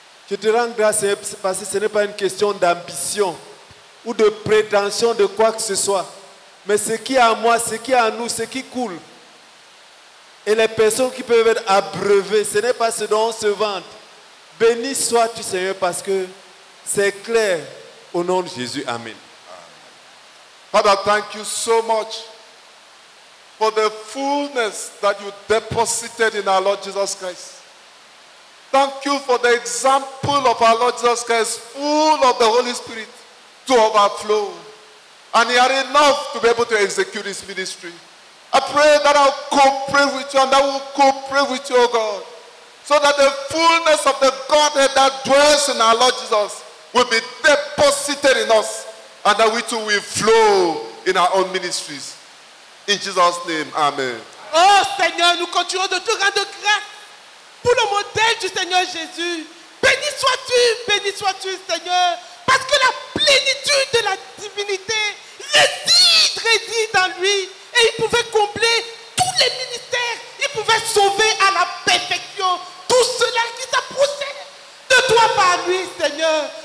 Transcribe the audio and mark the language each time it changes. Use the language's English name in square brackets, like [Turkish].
[French] Je te rends grâce, parce que ce n'est pas une question d'ambition ou de prétention de quoi que ce soit. Mais ce qui est en moi, ce qui est en nous, ce qui coule, et les personnes qui peuvent être abreuvées, ce n'est pas ce dont on se vante. Béni sois-tu, Seigneur, parce que c'est clair Au nom de Jésus, amen. [English] Father, thank you so much for the fullness that you deposited in our Lord Jesus Christ. Thank you for the example of our Lord Jesus Christ, full of the Holy Spirit, to overflow. And he had enough to be able to execute his ministry. I pray that I'll cooperate with you and that we'll cooperate with you, O God, so that the fullness of the Godhead that dwells in our Lord Jesus will be deposited in us, and that we too will flow in our own ministries. In Jesus' name, amen. [French] Oh Seigneur, nous continuons de te rendre grâce pour le modèle du Seigneur Jésus. Béni sois-tu, Seigneur, parce que la plénitude de la divinité réside dans lui, et il pouvait combler tous les ministères, il pouvait sauver à la perfection tout cela qui s'approchait de toi par lui, Seigneur.